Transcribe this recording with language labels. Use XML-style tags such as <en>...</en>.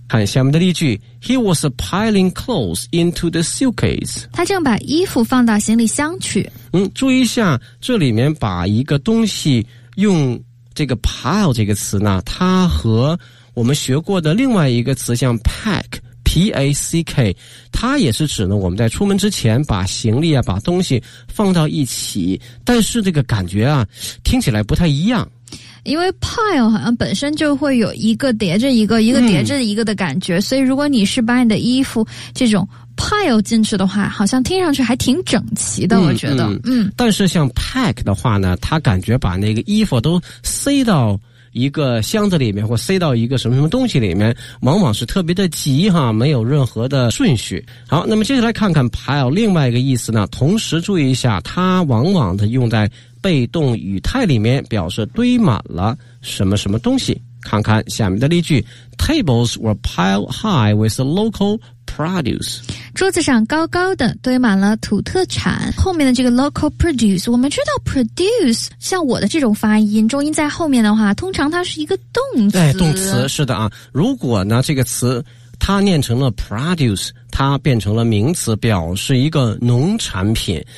<zh>看下面的例句，</zh> <en>He was piling clothes into the suitcase，</en> <zh>他正把衣服放到行李箱去。嗯，注意一下这里面把一个东西用这个 pile 这个词呢，它和我们学过的另外一个词像 pack P-A-C-K， 它也是指呢我们在出门之前把行李啊把东西放到一起，但是这个感觉啊听起来不太一样。因为 pile 好像本身就会有一个叠着一个，一个叠着一个的感觉，所以如果你是把你的衣服这种 pile 进去的话，好像听上去还挺整齐的，我觉得。但是像 pack 的话呢，它感觉把那个衣服都塞到一个箱子里面，或塞到一个什么什么东西里面，往往是特别的急哈，没有任何的顺序。好，那么接下来看看 pile 另外一个意思呢，同时注意一下，它往往的用在被动语态里面，表示堆满了什么什么东西。看看下面的例句，</zh> <en>Tables were piled high with local produce，</en> <zh>桌子上高高的堆满了土特产。后面的这个 local produce， 我们知道 produce 像我的这种发音，重音在后面的话，通常它是一个动词。哎，动词，是的啊。如果呢这个词它念成了 produce， 它变成了名词，表示一个农产品。</zh>